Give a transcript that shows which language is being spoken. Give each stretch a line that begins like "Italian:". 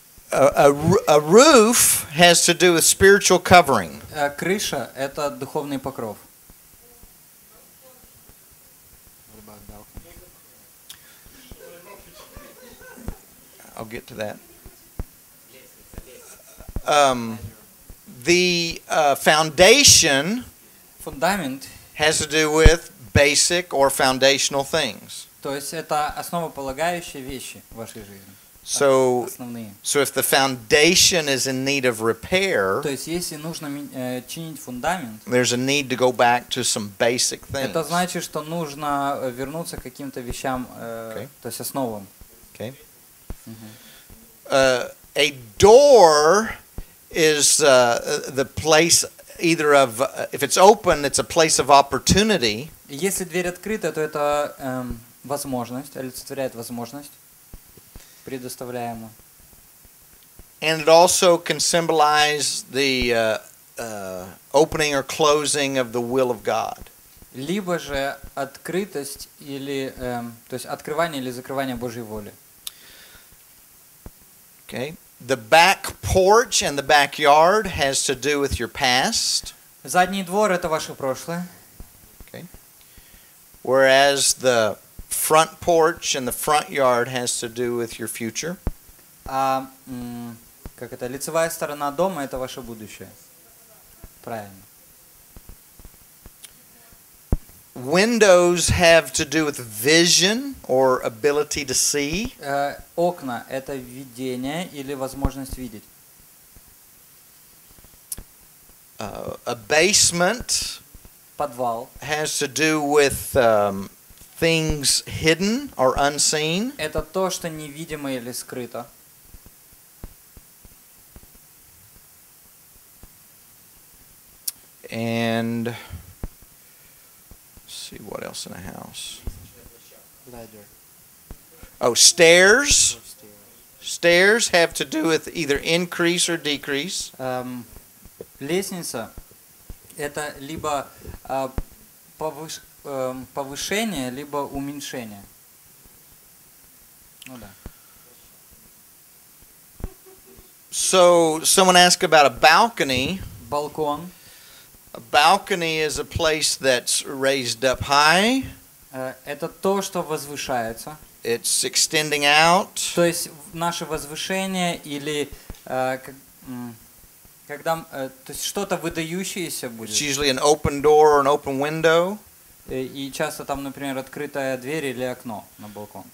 English: A roof has to do with spiritual covering.
Russian: Крыша – это духовный покров.
English: I'll get to that. The foundation.
Russian: Fundament.
English: Has to do with basic or foundational things.
Russian: То есть это основополагающие вещи в вашей жизни.
English: So,
Russian: основные.
English: So if the foundation is in need of repair.
Russian: То есть если нужно чинить фундамент.
English: There's a need to go back to some basic things.
Russian: Это значит, что нужно вернуться к каким-то вещам, то есть основам.
English: Okay. A door is the place. Either of if it's open, it's a place of opportunity.
Russian: Если дверь открыта, то это возможность, олицетворяет возможность, предоставляемую.
English: And it also can symbolize the opening or closing of the will of God.
Russian: Либо же открытость или то есть открывание или закрывание Божьей воли.
English: Okay. The back porch and the backyard has to do with your past.
Russian: Задний двор это ваше прошлое.
English: Okay. Whereas the front porch and the front yard has to do with your future.
Russian: А как это лицевая сторона дома это ваше будущее. Правильно.
English: Windows have to do with vision or ability to see.
Russian: Окна это видение или возможность видеть.
English: A basement.
Russian: Подвал.
English: Has to do with things hidden or unseen.
Russian: Это то, что невидимо или скрыто.
English: And see what else in a house. Ladder. Oh, stairs. Stairs have to do with either increase or decrease.
Russian: Лестница это либо повышение, либо уменьшение. Ну да.
English: So someone asked about a balcony.
Russian: Балкон.
English: A balcony is a place that's raised up high.
Russian: Это то, что возвышается.
English: It's extending out.
Russian: То есть наше возвышение или когда то есть что-то выдающееся будет.
English: It's usually an open door or an open window.
Russian: И часто там, например, открытая дверь или окно на балкон.